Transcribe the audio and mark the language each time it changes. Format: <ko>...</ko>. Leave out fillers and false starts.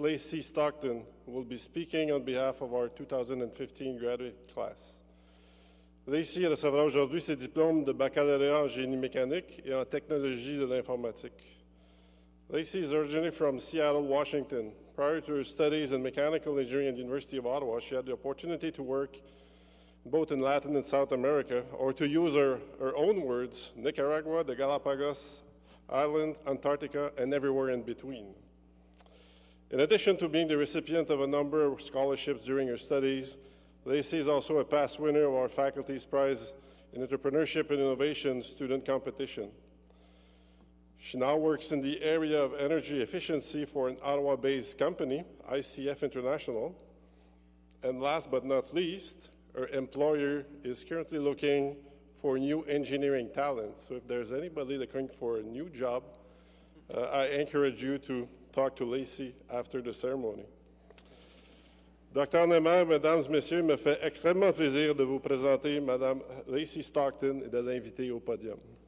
<en>Lacy Stockton, who will be speaking on behalf of our 2015 graduate class.</en> <fr>Lacy recevra aujourd'hui ses diplômes de baccalauréat en génie mécanique et en technologie de l'informatique.</fr> <en>Lacy is originally from Seattle, Washington. Prior to her studies in mechanical engineering at the University of Ottawa, she had the opportunity to work both in Latin and South America, or to use her own words, Nicaragua, the Galapagos Island, Antarctica, and everywhere in between. In addition to being the recipient of a number of scholarships during her studies, Lacy is also a past winner of our faculty's prize in Entrepreneurship and Innovation student competition. She now works in the area of energy efficiency for an Ottawa-based company, ICF International. And last but not least, her employer is currently looking for new engineering talent. So if there's anybody looking for a new job, I encourage you to talk to Lacy after the ceremony. Dr.</en> <fr>Nemer, Mesdames, Messieurs, me fait extrêmement plaisir de vous présenter Madame Lacy Stockton et de l'inviter au podium.</fr>